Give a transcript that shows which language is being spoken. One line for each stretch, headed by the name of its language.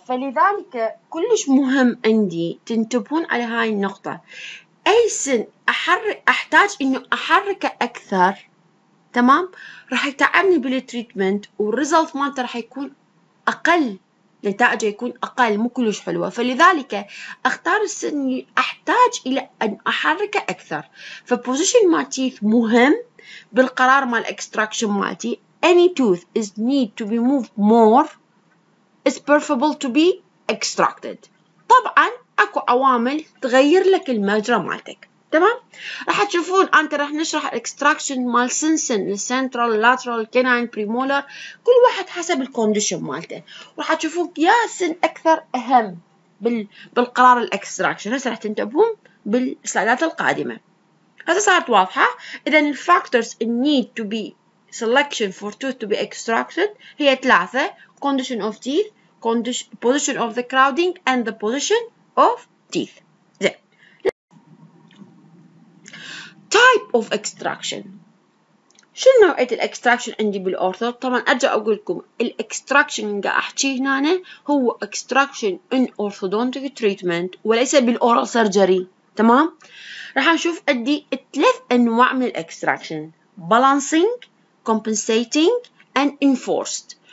Arabic: فلذلك كلش مهم عندي تنتبهون على هاي النقطة، أي سن أحتاج إنه أحركه أكثر، تمام؟ راح يتعبني بالtreatment والresult مالته راح يكون أقل، نتائجه يكون أقل، مو كلش حلوة. فلذلك أختار السن اللي أحتاج إلى أن أحركه أكثر. فposition مال teeth مهم بالقرار مال extraction مالتي.
English: any tooth is need to be moved more is preferable to be extracted.
Arabic: طبعا أكو عوامل تغير لك المجرى مالتك، تمام؟ راح تشوفون أنت راح نشرح extraction مال سنسن central lateral canine premolar كل واحد حسب الكونديشن مالته، وراح تشوفون يا سن أكثر أهم بالقرار الاكستراكشن. هسه راح تنتبهون بالسلايدات القادمة. هسه صارت واضحة؟ إذا الفاكتورز
English: need to be selection for tooth to be extracted
Arabic: هي ثلاثة:
English: condition of teeth, position of the crowding and the position of teeth. type of extraction
Arabic: شنو نوعية الاكستراكشن عندي بالأورثو؟ طبعا ارجع اقول لكم الاكستراكشن اللي قاعد احكي هنا هو اكستراكشن ان اورثودونتيك تريتمنت وليس بالاورال سيرجري، تمام؟ راح نشوف عندي ثلاث انواع من الاكستراكشن: بالانسينج، كومبنسيتنج، اند انفورسد.